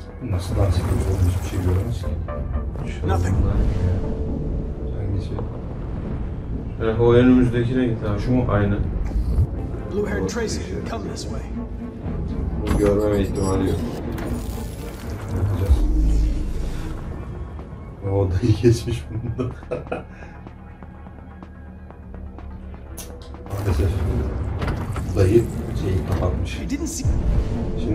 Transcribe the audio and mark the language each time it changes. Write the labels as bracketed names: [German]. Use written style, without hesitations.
[Turkish] Nasıl lan sıkıntı oldu, hiçbir şey görmezsin. [English] Nothing. [Turkish] Hangisi? Ha, o önümüzdekine git abi. Şu mu? Aynı. [English] Blue haired Tracy, come this way. [Turkish] Bu görmeme ihtimali yok. Ne yapacağız? Ya o dayı geçmiş bunda. Arkadaşlar. Dayı şeyi kapatmış. Şimdi